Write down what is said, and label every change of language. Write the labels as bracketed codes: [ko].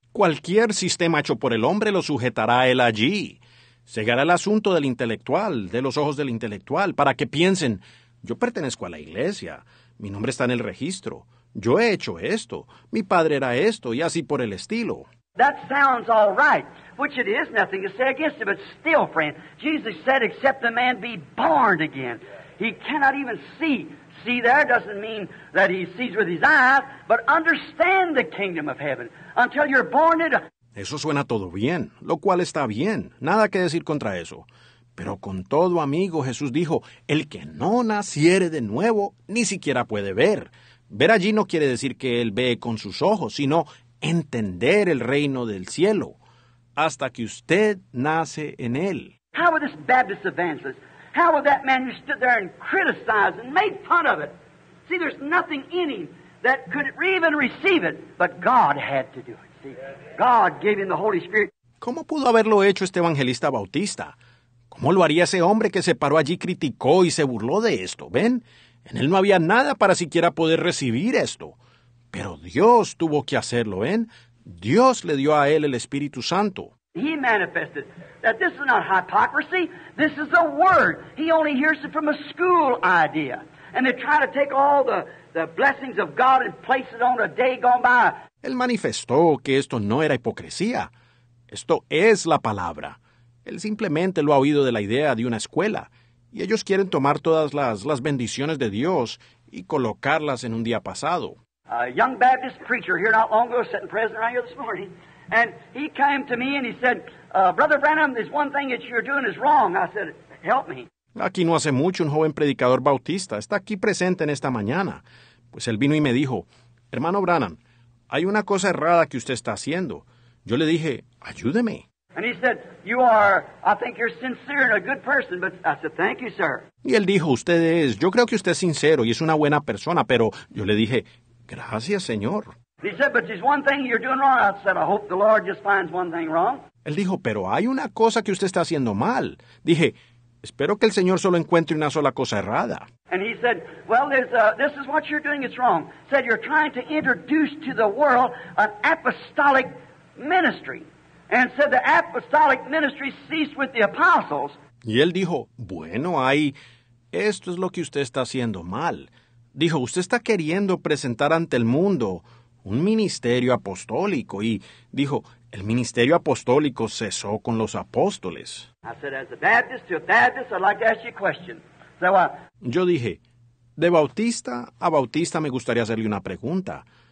[es] Cualquier sistema hecho por el hombre lo sujetará a él allí. Cegará el asunto del intelectual, de los ojos del intelectual, para que piensen, yo pertenezco a la iglesia. Mi nombre está en el registro. Yo he hecho esto. Mi padre era esto, y así por el estilo. [en] That sounds all right. Which it is, nothing to say against it, but still, friend, Jesus said, except the man be born again, he cannot even see see there doesn't mean that he sees with his eyes, but understand the kingdom of heaven until you're born in. [es] Eso suena todo bien, lo cual está bien, nada que decir contra eso. Pero con todo, amigo, Jesús dijo, el que no naciere de nuevo, ni siquiera puede ver. Ver allí no quiere decir que él ve con sus ojos, sino entender el reino del cielo, hasta que usted nace en él. [en] How would this Baptist evangelist, how would that man who stood there and criticized and made fun of it? See, there's nothing in him that could even receive it, but God had to do it, see? God gave him the Holy Spirit. [es] ¿Cómo pudo haberlo hecho este evangelista bautista? ¿Cómo lo haría ese hombre que se paró allí, criticó y se burló de esto? ¿Ven? En él no había nada para siquiera poder recibir esto. Pero Dios tuvo que hacerlo, ¿ven? Dios le dio a él el Espíritu Santo. [en] He manifested that this is not hypocrisy. This is the word. He only hears it from a school idea. And they try to take all the blessings of God and place it on a day gone by. [es] Él manifestó que esto no era hipocresía. Esto es la palabra. Él simplemente lo ha oído de la idea de una escuela, y ellos quieren tomar todas las bendiciones de Dios y colocarlas en un día pasado. [en] A young Baptist preacher here not long ago, sitting present right here this morning, and he came to me and he said, Brother Branham, there's one thing that you're doing is wrong. I said, help me. [es] Aquí no hace mucho, un joven predicador bautista está aquí presente en esta mañana. Pues él vino y me dijo, hermano Branham, hay una cosa errada que usted está haciendo. Yo le dije, ayúdeme. [en] And he said, you are, I think you're sincere and a good person, but I said, thank you, sir. [es] Y él dijo, usted es, yo creo que usted es sincero y es una buena persona, pero yo le dije, gracias, señor. [en] He said, but there's one thing you're doing wrong. I said, I hope the Lord just finds one thing wrong. [es] Él dijo, pero hay una cosa que usted está haciendo mal. Dije, espero que el señor solo encuentre una sola cosa errada. [en] And he said, well, this is what you're doing, it's wrong. Said, you're trying to introduce to the world an apostolic ministry. And said the apostolic ministry ceased with the apostles. [es] Y él dijo, bueno, ahí, esto es lo que usted está haciendo mal. Dijo, usted está queriendo presentar ante el mundo un ministerio apostólico. Y dijo, el ministerio apostólico cesó con los apóstoles. [en] I said, as a Baptist, to a Baptist, I'd like to ask you a question. So, [es] yo dije, de bautista a bautista me gustaría hacerle una pregunta.